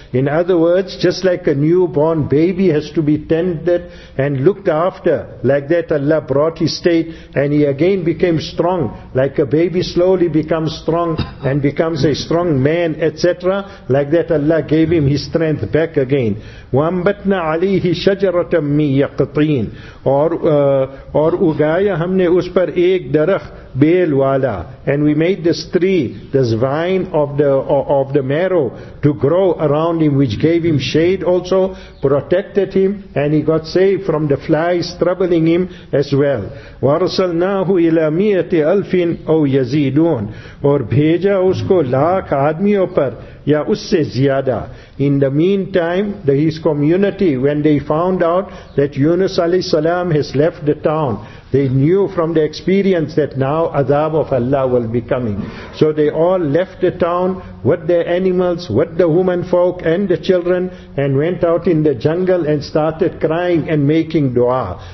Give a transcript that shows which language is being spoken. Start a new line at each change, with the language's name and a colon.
English: In other words, just like a newborn baby has to be tended and looked after, like that Allah brought his state, and he again became strong like a baby slowly becomes strong and becomes a strong man, etc. Like that Allah gave him his strength back again.
Arabic: وَأَنْبَتْنَا عَلَيْهِ شَجَرَةً مِّن يَقْطِين
Urdu: اور اُگایا ہم نے اس پر ایک درخ بیل والا.
English: And we made this tree, this vine of the marrow to grow around him, which gave him shade also, protected him, and he got saved from the flies troubling him as well.
Arabic: وَرَسَلْنَاهُ إِلَى مِئَةِ أَلْفٍ أَوْ يَزِيدُونَ
Urdu: اور بھیجا اس کو لاکھ آدمیوں پر یا اس سے زیادہ.
English: In the meantime, his community, when they found out that Yunus alayhi salam has left the town, they knew from the experience that now azab of Allah will be coming. So they all left the town with their animals, with the women folk and the children, and went out in the jungle and started crying and making dua.